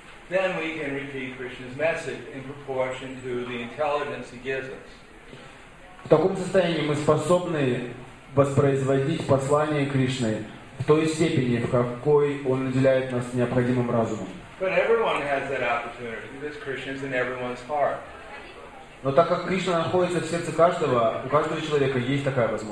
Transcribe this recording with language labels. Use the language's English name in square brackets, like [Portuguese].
[English] Then we can repeat Krishna's message in proportion to the intelligence he gives us. [Russian] В таком состоянии мы способны воспроизводить послание Кришны в той степени, в какой он наделяет нас необходимым разумом. [English] But everyone has that opportunity because Krishna's in everyone's heart. [Russian] Но так как Кришна находится в сердце каждого, у каждого человека есть такая